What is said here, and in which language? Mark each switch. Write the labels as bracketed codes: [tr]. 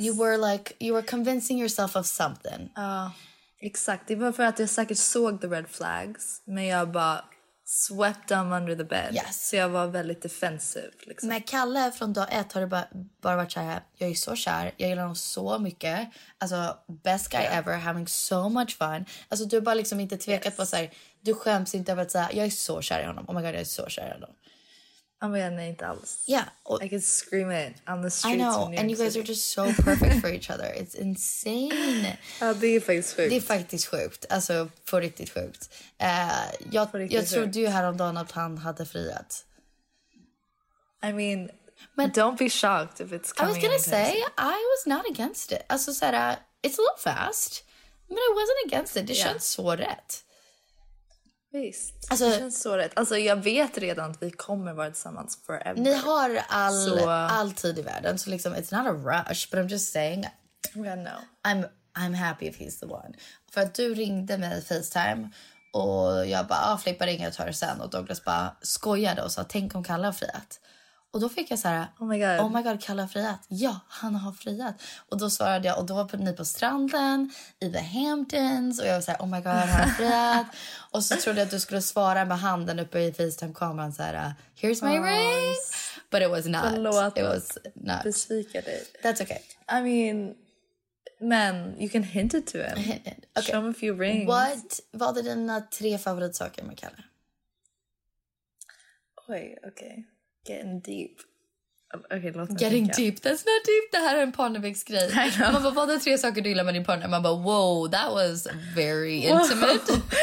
[en] You were like, you were convincing yourself of something. [sv] Ja, exakt. Det var för att jag säkert såg the red flags. Men jag bara [en] swept them under the bed. Yes. [sv] Så jag var väldigt defensive. Liksom. Men Kalle från dag ett har det bara varit såhär, jag är så kär. Jag gillar honom så mycket. Alltså, [en] best guy ever, having so much fun. [sv] Alltså, du har bara liksom inte tvekat på såhär, du skäms inte över att säga, jag är så kär i honom. Oh my god, jag är så kär i honom. Han var gärna inte alls. [en] Yeah, I could scream it on the streets. I know, and you guys are just so perfect for each other. It's insane. [sv] Ja, det är faktiskt sjukt. Det är faktiskt sjukt. Alltså, för riktigt sjukt. Jag trodde ju häromdagen att han hade friat. [en] I mean, but don't be shocked if it's coming. I was gonna say, I was not against it. [sv] Alltså, så här, [en] it's a little fast, but I wasn't against it. [sv] Det känns så rätt. Visst, alltså, det känns så rätt. Alltså jag vet redan att vi kommer vara tillsammans forever. Ni har all tid i världen, så liksom, [en] it's not a rush, but I'm just saying, yeah, no. I'm happy if he's the one. [sv] För att du ringde mig i FaceTime och jag bara, ah, flippa ringa, jag tar det sen. Och Douglas bara skojade och sa, tänk om Kalle har friat. Och då fick jag så här, [en] oh my god, [sv] Kalle har friat. Ja, han har friat. Och då svarade jag, och då var ni på stranden, i The Hamptons. Och jag var så här, oh my god, han har friat. Och så trodde jag att du skulle svara med handen uppe i FaceTime-kameran så här, [en] here's my ring. But it was not. [sv] Förlåt. [en] It was not. [sv] Besvika dig. [en] That's okay. I mean, men you can hint it to him. Okay. Show him a few rings. [sv] Vad är dina tre favoritsaker med Kalle? [en] Oj, okej. Getting deep. Okay, låt mig getting deep, that's not deep. [sv] Det här är en Parneviks-grej. Man bara, vad är tre saker du gillar med din partner? Man bara, [en] wow, that was very intimate.